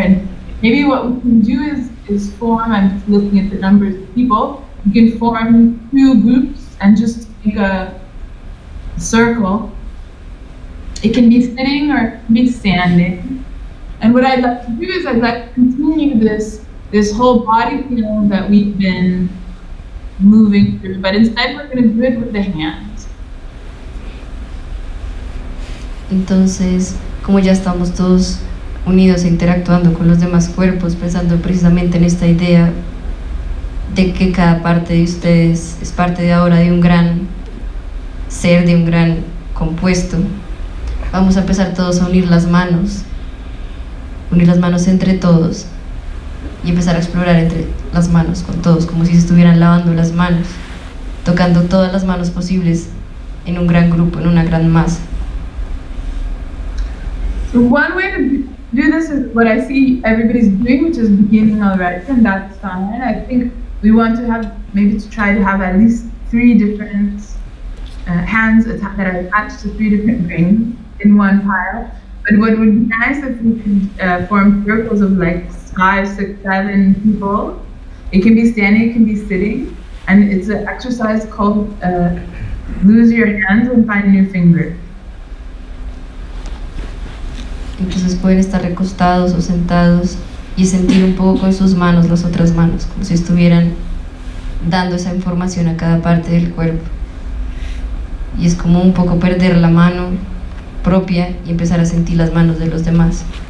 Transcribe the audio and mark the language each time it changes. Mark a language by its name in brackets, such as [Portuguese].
[English] And maybe what we can do is form, I'm just looking at the numbers of people, you can form 2 groups and just make a circle. It can be sitting or it can be standing. And what I'd like to do is I'd like to continue this whole body feel that we've been moving through, but instead we're going to do it with the hands. [Spanish] Entonces, como ya estamos todos unidos e interactuando con los demás cuerpos, pensando precisamente en esta idea de que cada parte de ustedes es parte de ahora de un gran ser, de un gran compuesto. Vamos a empezar todos a unir las manos unir las manos entre todos y empezar a explorar entre las manos con todos, como si se estuvieran lavando las manos, tocando todas las manos posibles en un gran grupo, en una gran masa. [English] So one way to do this is what I see everybody's doing, which is beginning already, and that's fine. I think we want to have, maybe to try to have at least three different hands that are attached to three different brains in one pile. But what would be nice if we could form circles of like 5, 6, 7 people. It can be standing, it can be sitting. And it's an exercise called lose your hands and find new fingers. [Spanish] Entonces pueden estar recostados o sentados y sentir un poco con sus manos, las otras manos, como si estuvieran dando esa información a cada parte del cuerpo. Y es como un poco perder la mano propia y empezar a sentir las manos de los demás.